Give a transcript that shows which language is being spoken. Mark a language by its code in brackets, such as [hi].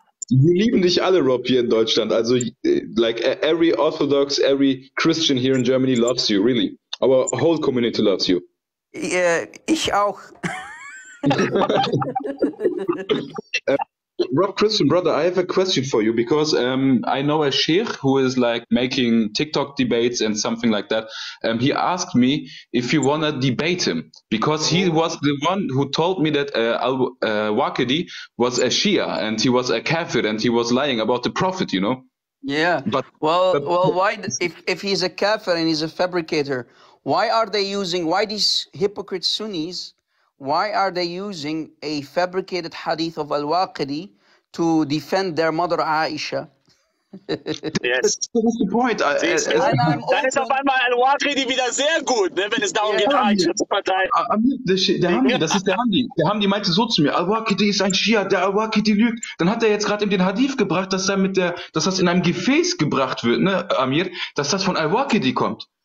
[de] Wir lieben dich alle, Rob, hier in Deutschland. [en] Also, like, every Orthodox, every Christian here in Germany loves you, really. Our whole community loves you. [de] Yeah, ich auch. [en] Rob Christian, brother, I have a question for you because I know a sheikh who is like making TikTok debates and something like that. He asked me if you want to debate him because he was the one who told me that Al-Waqidi was a Shia and he was a kafir and he was lying about the prophet, you know? Yeah, but well, why if he's a kafir and he's a fabricator, why are they using, why these hypocrite Sunnis, why are they using a fabricated hadith of Al-Waqidi to defend their mother Aisha? Yes. That's the point. [de] Dann ist auf einmal Al-Waqidi wieder sehr gut, ne, wenn es darum geht, Aisha zu verteidigen. Der Hamdi, das ist der Hamdi. Der Hamdi meinte so zu mir, Al-Waqidi ist ein Schia, der Al-Waqidi lügt. Dann hat er jetzt gerade eben den Hadith gebracht, dass, er mit der, dass das in einem Gefäß gebracht wird, ne, Amir, dass das von Al-Waqidi kommt.